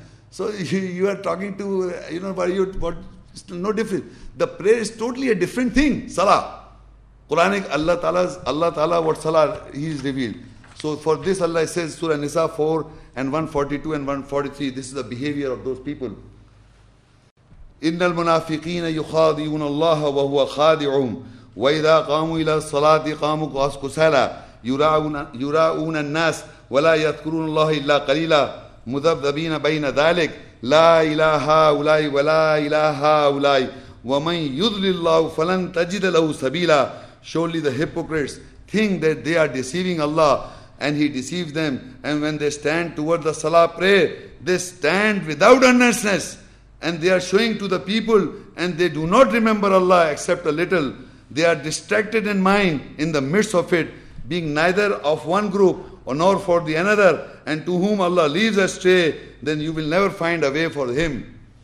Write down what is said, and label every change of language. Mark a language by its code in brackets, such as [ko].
[en] So you are talking to, you know, but you, what, it's no difference. The prayer is totally a different thing. Salah. Quranic, Allah Ta'ala, what salah he is revealed. So for this Allah says, Surah Nisa 4 and 142 and 143, this is the behavior of those people. [ar] إن المنافقين يخادعون الله وهو خادعهم وإذا قاموا إلى الصلاة قاموا كسالى يراؤون الناس ولا يذكرون الله إلا قليلا مذبذبين بين ذلك لا إله هؤلاء ولا إله هؤلاء ومن يضلل الله فلن تجد له سبيلا. [en] Surely the hypocrites think that they are deceiving Allah, and He deceives them. And when they stand toward the salah prayer, they stand without earnestness. And they are showing to the people, and they do not remember Allah except a little. They are distracted in mind in the midst of it, being neither of one group nor for the another, and to whom Allah leaves astray, then you will never find a way for him.